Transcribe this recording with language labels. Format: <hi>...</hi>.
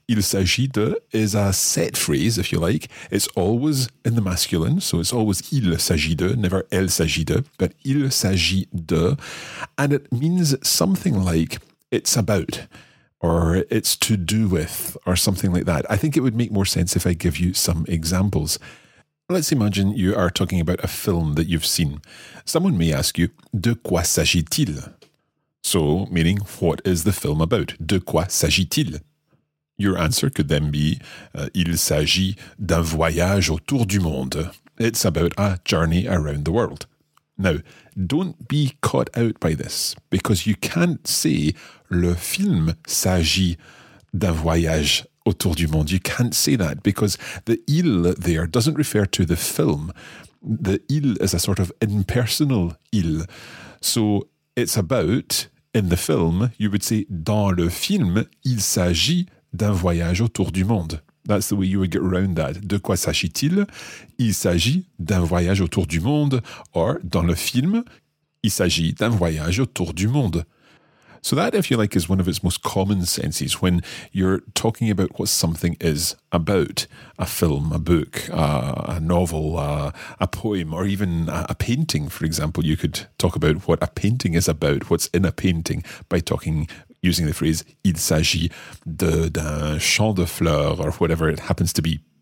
<en>Il s'agit de is a set phrase, if you like. It's always in the masculine, so it's always il s'agit de, never elle s'agit de, but il s'agit de. And it means something like it's about, or it's to do with, or something like that. I think it would make more sense if I give you some examples. Let's imagine you are talking about a film that you've seen. Someone may ask you,</en> <fr>de quoi s'agit-il?</fr> <en>So, meaning, what is the film about?</en> <fr>De quoi s'agit-il?</fr> <en>Your answer could then be,</en> <fr>il s'agit d'un voyage autour du monde.</fr> <en>It's about a journey around the world. Now, don't be caught out by this, because you can't say,</en> <fr>le film s'agit d'un voyage autour du monde.</fr> <en>You can't say that, because the il there doesn't refer to the film. The il is a sort of impersonal il. So, it's about, in the film, you would say,</en> <fr>dans le film, il s'agit d'un voyage autour du monde.</fr> <en>That's the way you would get around that.</en> <fr>De quoi s'agit-il? Il s'agit d'un voyage autour du monde. Or, dans le film, il s'agit d'un voyage autour du monde.</fr> <en>So that, if you like, is one of its most common senses when you're talking about what something is about. A film, a book, a novel, a poem, or even a painting, for example. You could talk about what a painting is about, what's in a painting, by talking using the phrase,</en> <fr>il s'agit d'un champ de fleurs,</fr> <en>or whatever it happens to be.</en>